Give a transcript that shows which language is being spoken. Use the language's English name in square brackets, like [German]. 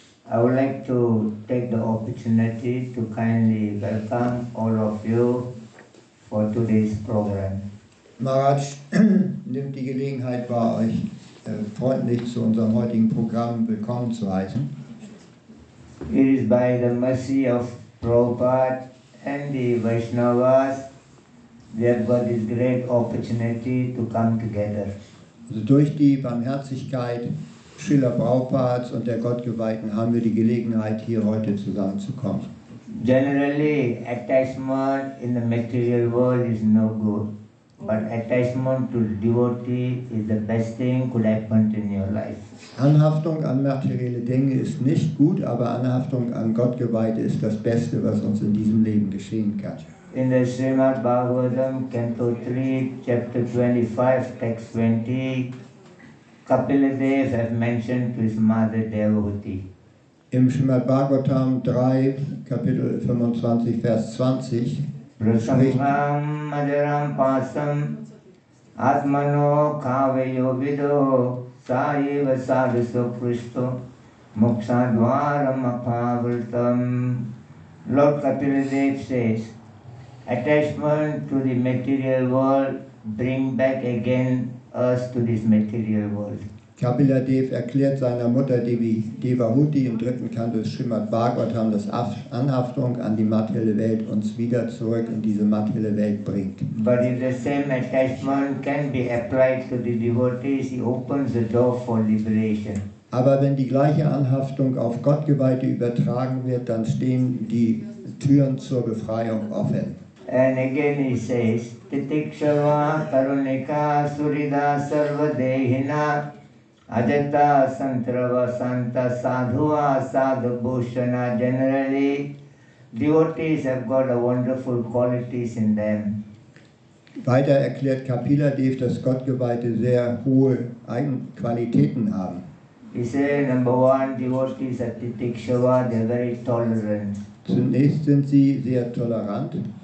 [English] I would like to take the opportunity to kindly welcome all of you for today's program. [German] Maharaj nimmt die Gelegenheit wahr, euch freundlich zu unserem heutigen Programm willkommen zu heißen. [English] It is by the mercy of Prabhupada and the Vaishnavas we have got this great opportunity to come together. [German] Also durch die Barmherzigkeit Srila Prabhupads und der Gottgeweihten haben wir die Gelegenheit, hier heute zusammenzukommen. [English] Generally, attachment in the material world is no good. But attachment to devotee is the best thing could happen in your life. [German] Anhaftung an materielle Dinge ist nicht gut, aber Anhaftung an Gottgeweihte ist das Beste, was uns in diesem Leben geschehen kann. [English] In the Srimad Bhagavatam, Canto 3, Chapter 25, Text 20, Kapila Dev has mentioned to his mother Devahuti. [German] Im Srimad Bhagavatam 3, Kapitel 25, Vers 20, [Sanskrit] Prasangam madaram pasam atmano kaveyo vidho saiva sadhu sukrishto mukshadwaram apavritam. [English] Lord Kapila Dev says, attachment to the material world bring back again us to this material world. [German] Kapila Dev erklärt seiner Mutter Devi Devahuti im dritten Kanto des Srimad Bhagavatam, dass Anhaftung an die materielle Welt uns wieder zurück in diese materielle Welt bringt. [English] But if the same attachment can be applied to the devotees, he opens the door for liberation. [German] Aber wenn die gleiche Anhaftung auf Gottgeweihte übertragen wird, dann stehen die Türen zur Befreiung offen. [English] And again he says, [Sanskrit] Titikshava Karunika Surida Sarvadehina Ajata Santrava Santa Sadhuva Sadhu Bhushana. [English] Generally, devotees have got a wonderful qualities in them. [German] Weiter erklärt Kapila Dev, dass Gottgeweihte sehr hohe Eigenqualitäten haben. [English] He says, number one, devotees are Titikshava, they are very tolerant. [German] Zunächst sind sie sehr tolerant.